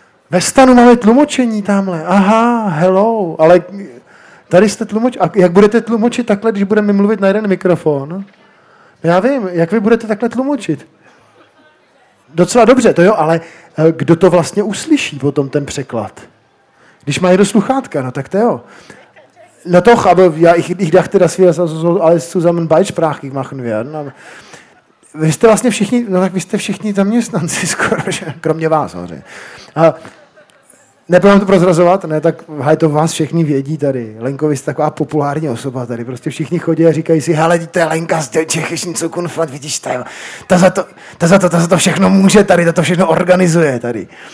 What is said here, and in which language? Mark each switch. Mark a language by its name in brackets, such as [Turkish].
[Czech] Ve stanu máme tlumočení tamhle. Aha, hello, ale tady jste tlumočení. A jak budete tlumočit takhle, když budeme mluvit na jeden mikrofon? Já vím, jak vy budete takhle tlumočit? Docela dobře, to jo, ale kdo to vlastně uslyší potom ten překlad? Když mají do sluchátka, no tak to jo. [German] Na toch, aber ja, ich dachte, dass wir das alles zusammen beidsprachig machen werden. [Czech] Vy jste vlastně všichni, no tak vy jste všichni zaměstnanci skoro, že? Kromě vás, hoře. Nebudu vám to prozrazovat, ne, tak hej, to vás všichni vědí tady. Lenko, vy jste taková populární osoba tady. Prostě všichni chodí a říkají si, hele, to je Lenka z Čechyšní Cukunflat, vidíš, ta za to všechno může tady, ta to všechno organizuje tady.